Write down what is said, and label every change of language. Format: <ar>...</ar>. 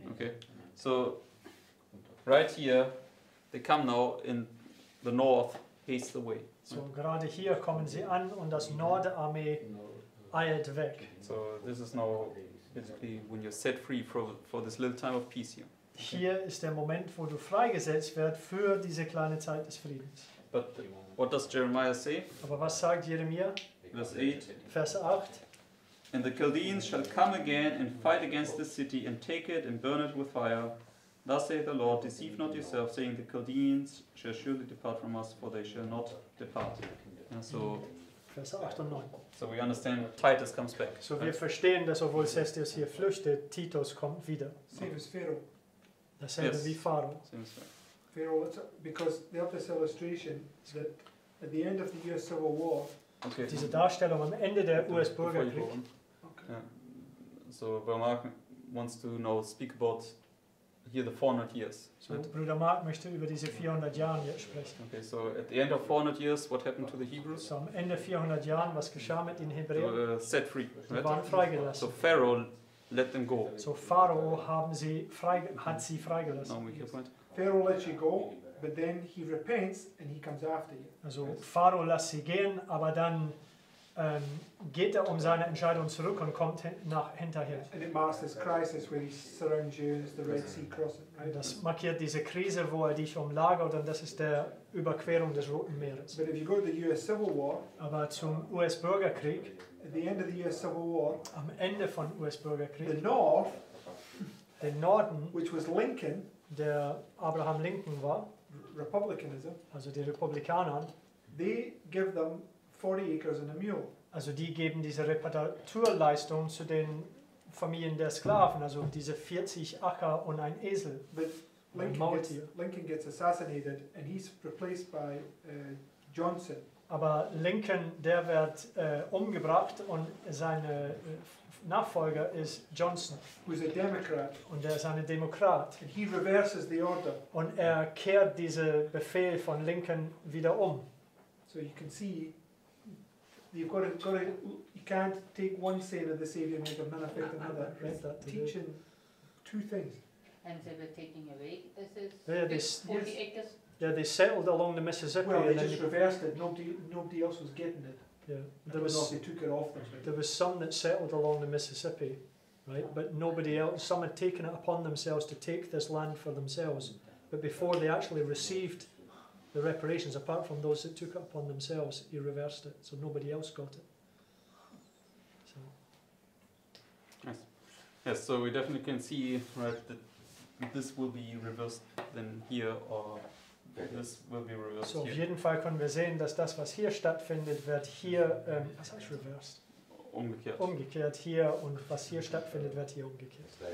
<en>Okay, so right here, they come now in the north, haste away. Right?</en> <de>So gerade hier kommen sie an und das Nordarmee eilt weg.</de> <en>So this is now basically when you're set free for this little time of peace here. Okay.</en> <de>Hier ist der Moment, wo du freigesetzt wird für diese kleine Zeit des Friedens.</de> <en>But what does Jeremiah say?</en> <de>Aber was sagt Jeremia? Vers 8.</de> <en>And the Chaldeans shall come again and fight against this city and take it and burn it with fire. Thus saith the Lord, deceive not yourself, saying the Chaldeans shall surely depart from us, for they shall not depart. And so,</en> <de>Vers 8 und 9.</de> <en>So we understand Titus comes back.</en> <de>So wir verstehen, dass obwohl Cestius hier flüchtet, Titus kommt wieder.</de> <en>Same as Pharaoh. The same yes. as Pharaoh. Same as Pharaoh. Pharaoh, because the obvious illustration is that at the end of the US Civil War, okay.</en> <de>Diese Darstellung am Ende der US-Bürgerkrieg.</de> <en>Okay. So Bruder Mark wants to now speak about here the 400 years.</en> <de>So Bruder Mark möchte über diese 400 Jahre jetzt sprechen.</de> <en>Okay, so at the end of 400 years, what happened to the Hebrews?</en> <de>So am Ende 400 Jahren, was geschah mit den Hebräern?</de> <en>Set free.</en> <de>Sie waren freigelassen.</de> <en>So Pharaoh let them go.</en> <de>So Pharaoh haben sie hat sie freigelassen.</de> <en>No, make your point. Pharaoh lets you go, but then he repents and he comes after you.</en> <de>Also Pharaoh lässt sie gehen, aber dann geht um seine Entscheidung zurück und kommt hinterher.</de> <en>And it marks this crisis where he surrounds you as the Red Sea crossing. Right?</en> <de>Das markiert diese Krise, wo dich umlagert, und das ist der Überquerung des Roten Meeres.</de> <en>But if you go to the US Civil War,</en> <de>aber zum US-Bürgerkrieg,</de> <en>at the end of the US Civil War,</en> <de>am Ende von US-Bürgerkrieg,</de> <en>the North,</en> <de>den Norden,</de> <en>which was Lincoln,</en> <de>der Abraham Lincoln war,</de> <en>Republicanism,</en> <de>also die Republikaner,</de> <en>they give them 40 acres and a mule.</en> <de>Also die geben diese Reparaturleistung zu den Familien der Sklaven, also diese 40 Acker und ein Esel.</de> <en>But Lincoln gets assassinated and he's replaced by Johnson.</en> <de>Aber Lincoln, der wird umgebracht und seine Nachfolger ist Johnson.</de> <en>Who's a Democrat.</en> <de>Und er ist ein Demokrat.</de> <en>And he reverses the order.</en> <de>Und er kehrt diese Befehl von Lincoln wieder um.</de> <en>So you can see, you've got to, you can't take one sin of the Savior and make a man affect another. Read that teaching today. Two things. And they were taking away this 40 acres. Yeah, they settled along the Mississippi. Well, they just reversed it. Nobody else was getting it. Yeah, they took it off them. Right? There was some that settled along the Mississippi, right? But nobody else. Some had taken it upon themselves to take this land for themselves. But before they actually received the reparations, apart from those that took it upon themselves, he reversed it. So nobody else got it. So. Yes. Yes, so we definitely can see, right, that this will be reversed then here, or this will be reversed.</en> <de>So auf jeden Fall können wir sehen, dass das, was hier stattfindet, wird hier</de> <en>reversed.</en> <de>Umgekehrt. Umgekehrt hier, und was hier stattfindet, wird hier umgekehrt.</de>